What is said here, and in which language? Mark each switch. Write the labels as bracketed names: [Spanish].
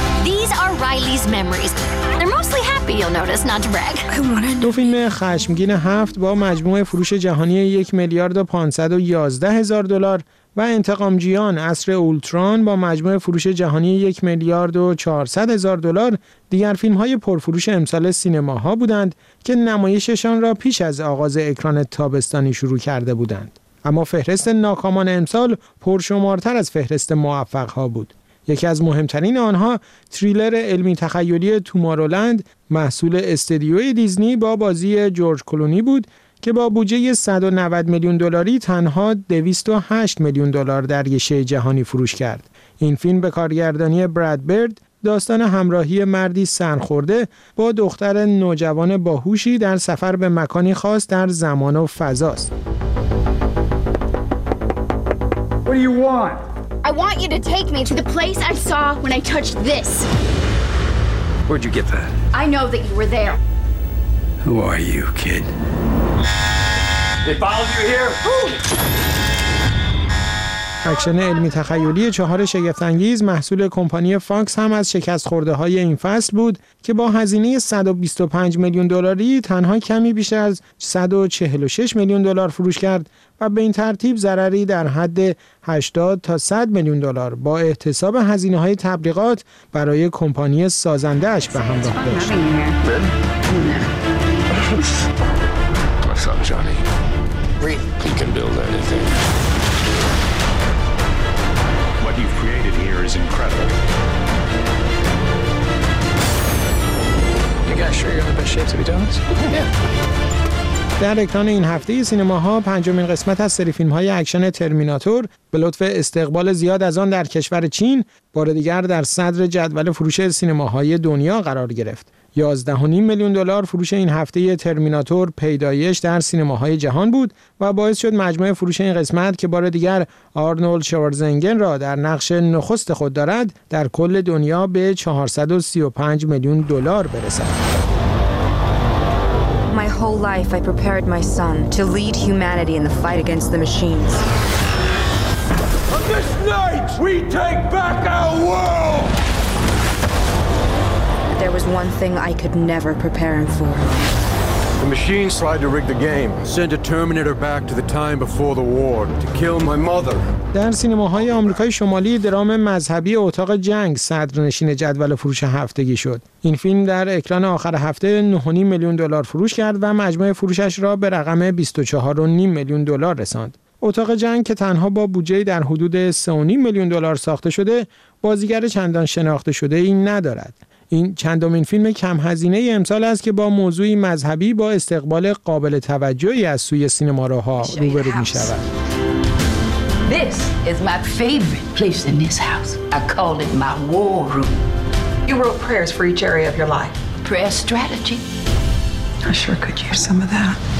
[English] These are Riley's memories. They're mostly happy, you'll notice, not to brag. [Persian] دو فیلم خشمگین هفت با مجموع فروش جهانی 1,511,000 دلار و انتقامجویان عصر اولتران با مجموع فروش جهانی 1,400,000 دلار دیگر فیلم های پرفروش امسال سینماها بودند که نمایششان را پیش از آغاز اکران تابستانی شروع کرده بودند. اما فهرست ناکامان امسال پرشمارتر از فهرست موفق ها بود. یکی از مهمترین آنها تریلر علمی تخیلی تومارولند محصول استودیوی دیزنی با بازی جورج کلونی بود که با بودجه 190,000,000 دلاری تنها 208,000,000 دلار در گشه جهانی فروش کرد. این فیلم به کارگردانی براد برد داستان همراهی مردی سرخورده با دختر نوجوان باهوشی در سفر به مکانی خاص در زمان و فضاست. [English] What do you want? I want you to take me to the place I saw when I touched this. Where'd you get that? I know that you were there. Who are you, kid? [Persian] اکشن علمی تخیلی چهار شگفت‌انگیز محصول کمپانی فاکس هم از شکست خورده های این فصل بود که با هزینه 125,000,000 دلاری تنها کمی بیش از 146,000,000 دلار فروش کرد و به این ترتیب ضرری در حد 80 تا 100,000,000 دلار با احتساب هزینه های تبلیغات برای کمپانی سازنده اش به همراه داشت. [English] He can build anything. What you've created here is incredible. You guys sure you're in the best shape to be doing this? Yeah. [Persian] در اکران این هفته سینماها پنجمین قسمت از سری فیلم‌های اکشن ترمیناتور به لطف استقبال زیاد از آن در کشور چین بار دیگر در صدر جدول فروش سینماهای دنیا قرار گرفت. 11.5 میلیون دلار فروش این هفته ترمیناتور پیدایش در سینماهای جهان بود و باعث شد مجموع فروش این قسمت که بار دیگر آرنولد شوارزنگر را در نقش نخست خود دارد در کل دنیا به 435 میلیون دلار برسد. [English] My whole life I prepared my son to lead humanity in the fight against the machines. On this night we take back our world. There was one thing I could never prepare him for. The machines tried to rig the game, send a Terminator back to the time before the war to kill my mother. [Persian] در سینماهای آمریکای شمالی درام مذهبی اتاق جنگ صدرنشین جدول فروش هفتگی شد. این فیلم در اکران آخر هفته 9.5 میلیون دلار فروش کرد و مجموع فروشش را به رقم 24.5 میلیون دلار رساند. اتاق جنگ که تنها با بودجه در حدود 3.5 میلیون دلار ساخته شده، بازیگر چندان شناخته شده ای ندارد. این چندمین فیلم کم هزینه امسال است که با موضوعی مذهبی با استقبال قابل توجهی از سوی سینماروها روبرو می شود. [English] This is my favorite place in this house. I call it my war room. You wrote prayers for each area of your life. Prayer strategy. I sure could use some of that.